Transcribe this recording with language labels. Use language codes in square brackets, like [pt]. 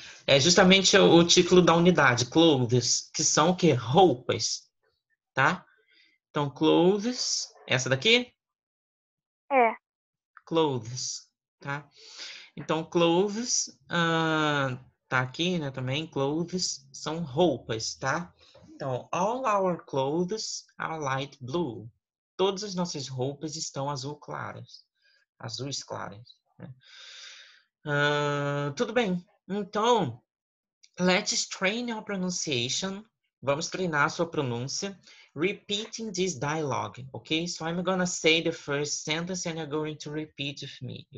[pt] É justamente o título da unidade, clothes, que são o quê? Roupas, tá? Então, clothes, essa daqui. é. Clothes, tá? Então, clothes, tá aqui, né, também. Clothes são roupas, tá? [en] Então, all our clothes are light blue. [pt] Todas as nossas roupas estão azul claras. Azuis claras, né? Tudo bem. Então, [en] let's train your pronunciation. [pt] Vamos treinar a sua pronúncia. [en] Repeating this dialogue, okay? So I'm gonna say the first sentence and you're going to repeat with me.